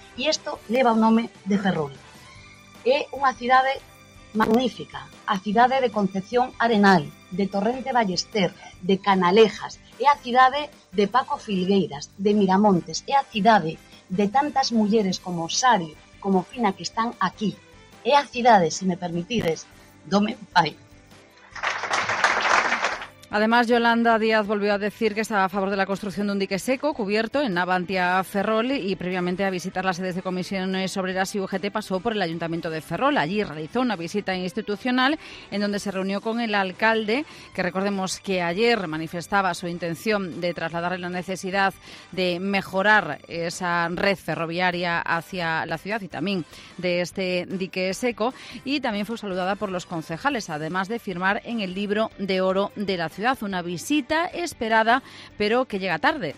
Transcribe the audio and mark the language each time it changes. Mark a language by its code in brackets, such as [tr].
[gl] E isto leva o nome de Ferrol. É unha cidade magnífica, a cidade de Concepción Arenal, de Torrente Ballester, de Canalejas, é a cidade de Paco Filgueiras, de Miramontes, é a cidade de tantas mulleres como Sari, como Fina, que están aquí. É a cidade, se me permitides, do meu pai. [es] Además, Yolanda Díaz volvió a decir que estaba a favor de la construcción de un dique seco cubierto en Navantia Ferrol y previamente a visitar las sedes de Comisiones Obreras y UGT pasó por el Ayuntamiento de Ferrol. Allí realizó una visita institucional en donde se reunió con el alcalde, que recordemos que ayer manifestaba su intención de trasladarle la necesidad de mejorar esa red ferroviaria hacia la ciudad y también de este dique seco, y también fue saludada por los concejales, además de firmar en el libro de oro de la ciudad, una visita esperada pero que llega tarde.